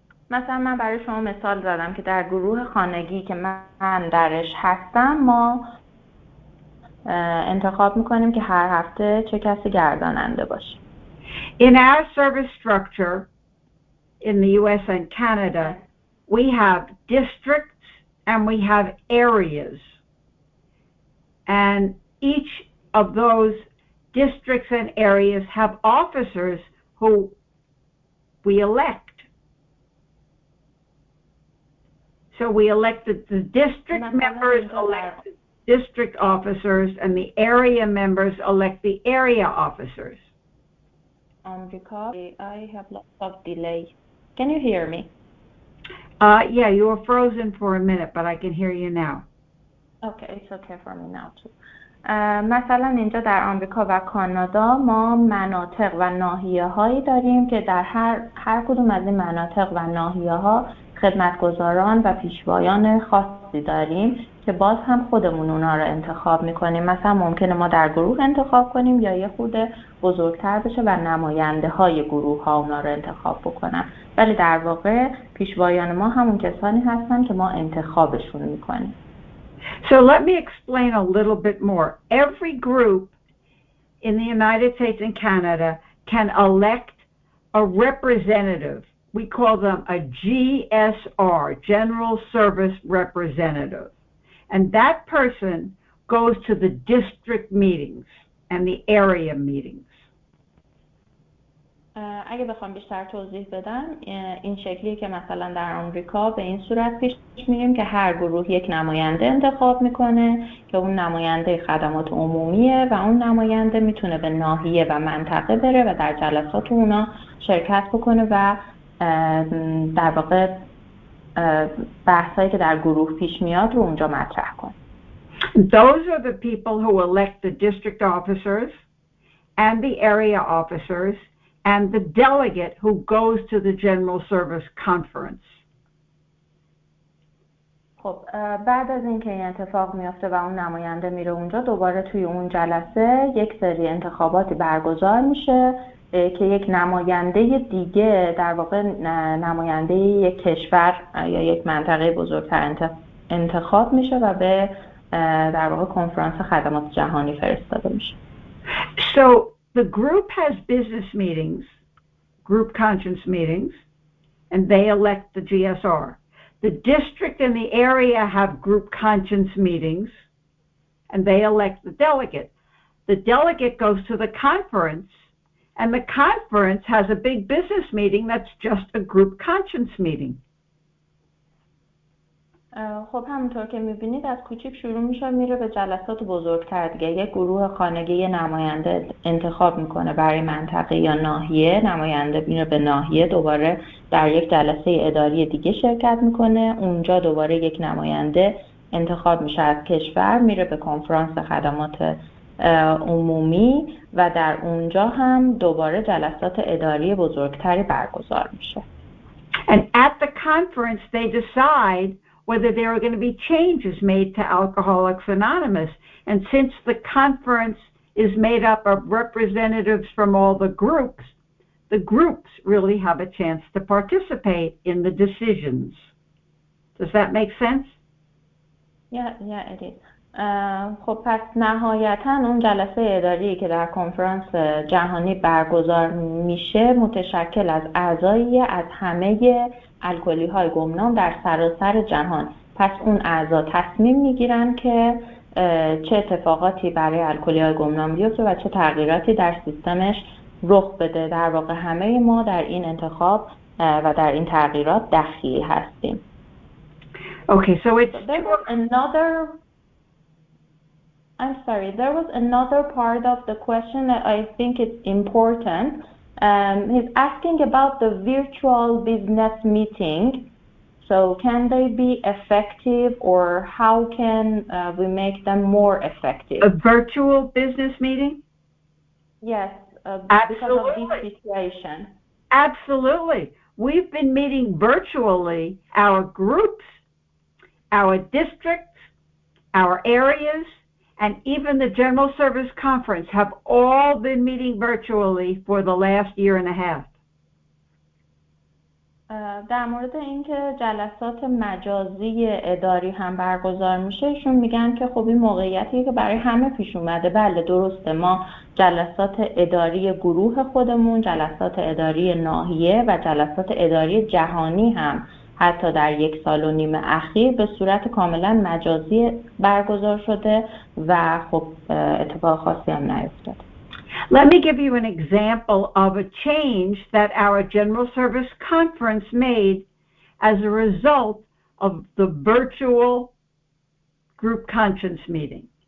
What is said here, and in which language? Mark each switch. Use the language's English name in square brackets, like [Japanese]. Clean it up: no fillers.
[Persian] مثلا من برای شما مثال زدم که در گروه خانگی که من درش هستم ما انتخاب میکنیم که هر هفته چه کسی گرداننده باشه. [English] In our service structure in the US and Canada, we have districts and we have areas. And each of those districts and areas have officers who we elect. So we elected the district members elect district officers and the area members elect the area officers. I have lots of delay. Can you hear me? Yeah, you were frozen for a minute, but I can hear you now. Okay, it's okay for me now too. [Persian] مثلا اینجا در آمریکا و کانادا ما مناطق و ناحیه هایی داریم که در هر کدوم از این مناطق و ناحیه ها خدمتگزاران و پیشوایان خاصی داریم که باز هم خودمون اونا رو انتخاب میکنیم. مثلا ممکنه ما در گروه انتخاب کنیم یا یه خود بزرگتر بشه و نماینده های گروه ها اونا رو انتخاب بکنن. ولی در واقع پیشوایان ما همون کسانی هستن که ما انتخابشون میکنیم. [English] So let me explain a little bit more. Every group in the United States and Canada can elect a representative. We call them a GSR, General Service Representative. And that person goes to the district meetings and the area meetings. [Persian] اگه بخوام بیشتر توضیح بدم این شکلیه که مثلا در آمریکا به این صورت پیش میگیم که هر گروه یک نماینده انتخاب میکنه که اون نماینده خدمات عمومیه و اون نماینده میتونه به ناحیه و منطقه بره و در جلسات اونا شرکت بکنه و در واقع بحثایی که در گروه پیش میاد رو اونجا مطرح کنه. [English] Those are the people who elect the district officers and the area officers and the delegate who goes to the general service conference. [Persian] خب بعد از اینکه این اتفاق میفته و اون نماینده میره اونجا دوباره توی اون جلسه یک سری انتخاباتی برگزار میشه که یک نماینده دیگه در واقع نماینده یک کشور یا یک منطقه بزرگتر انتخاب میشه و به در واقع کنفرانس خدمات جهانی فرستاده میشه. [English] So the group has business meetings, group conscience meetings, and they elect the GSR. The district and the area have group conscience meetings, and they elect the delegate. The delegate goes to the conference, and the conference has a big business meeting that's just a group conscience meeting. [Persian] خب همونطور که میبینید از کوچیک شروع میشه میره به جلسات بزرگتر دیگه. یک گروه خانگی نماینده انتخاب میکنه برای منطقه یا ناحیه، نماینده میره به ناحیه، دوباره در یک جلسه اداری دیگه شرکت میکنه، اونجا دوباره یک نماینده انتخاب میشه از کشور، میره به کنفرانس خدمات عمومی و در اونجا هم دوباره جلسات اداری بزرگتری برگزار میشه. [English] And at the conference they decide whether there are going to be changes made to Alcoholics Anonymous. And since the conference is made up of representatives from all the groups really have a chance to participate in the decisions. Does that make sense? Yeah, it is. [Persian] خب پس نهایتاً اون جلسه اداری که در کنفرانس جهانی برگزار میشه متشکل از اعضایی از همه الکلی های گمنام در سراسر جهان. پس اون اعضا تصمیم میگیرن که چه اتفاقاتی برای الکلی های گمنام بیفته و چه تغییراتی در سیستمش رخ بده. در واقع همه ما در این انتخاب و در این تغییرات دخیل هستیم. [English] Okay, so there was another I'm sorry, there was another part of the question that I think is important. He's asking about the virtual business meeting. So can they be effective, or how can we make them more effective? A virtual business meeting? Yes, Absolutely. Because of this situation. Absolutely. We've been meeting virtually, our groups, our districts, our areas, and even the General Service Conference have all been meeting virtually for the last year and a half. [Persian] در مورد اینکه جلسات مجازی اداری هم برگزار میشه ایشون میگن که خب این موقعیتی که برای همه پیش اومده بله درسته ما جلسات اداری گروه خودمون جلسات اداری ناحیه و جلسات اداری جهانی هم حتی در یک سال و نیم اخیر به صورت کاملا مجازی برگزار شده و خب اتفاق خاصی هم نیفتاده. [English] Let me give you an example of a change that our General Service Conference made as a result of the virtual group conscience meeting.